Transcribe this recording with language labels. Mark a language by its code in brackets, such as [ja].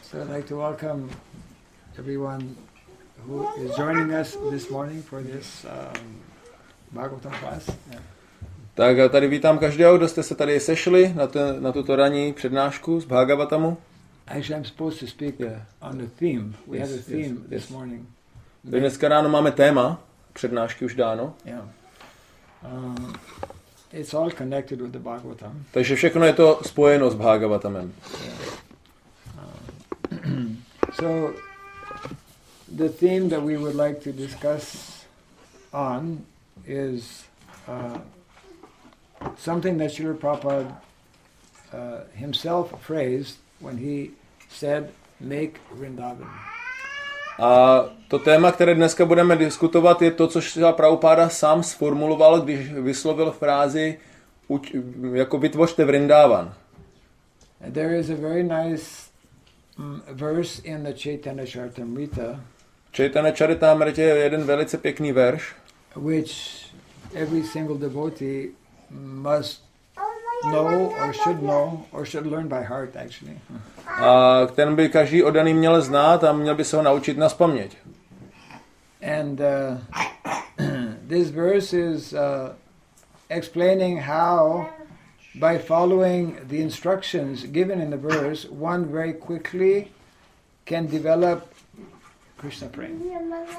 [en] So I'd like to welcome everyone who is joining us this morning for this Bhagavatam class. [cs] Tak tady vítám každého, kdo jste se tady sešli na tuto ranní přednášku z Bhagavatamu. [en] Actually, I'm supposed to speak on the theme. We have a theme this morning. [cs] Dneska ráno máme téma přednášky už dáno. [en] It's all connected with the Bhagavatam. [cs] Takže všechno je to spojeno s Bhagavatamem. [en] So the theme that we would like to discuss on is something that Srila Prabhupada himself phrased when he said make Vrindavan. [cs] A to téma, které dneska budeme diskutovat, je to, co Srila Prabhupada sám sformuloval, když vyslovil frázi jako vytvořte Vrindavan. [en] There is a very nice verse in the Chaitanya Charitamrita. [cs] Chaitanya Charitamrita je jeden velice pěkný verš, [en] which every single devotee must know or should know or should learn by heart actually. [cs] A ten by každý oddaný měl znát a měl by se ho naučit nazpaměť. [en] And this verse is explaining how by following the instructions given in the verse, one very quickly can develop Krishna prema.